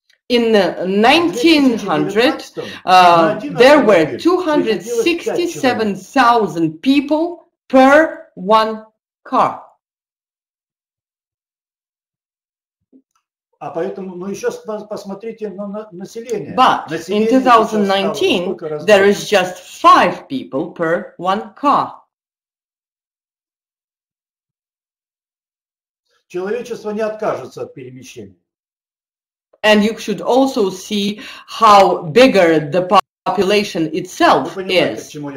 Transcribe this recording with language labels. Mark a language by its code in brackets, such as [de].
[en] In 1900, there were 267,000 people per one car. But in 2019, there is just 5 people per one car. [ru] Человечество не откажется от перемещения. [en] And you should also see how bigger the population itself is.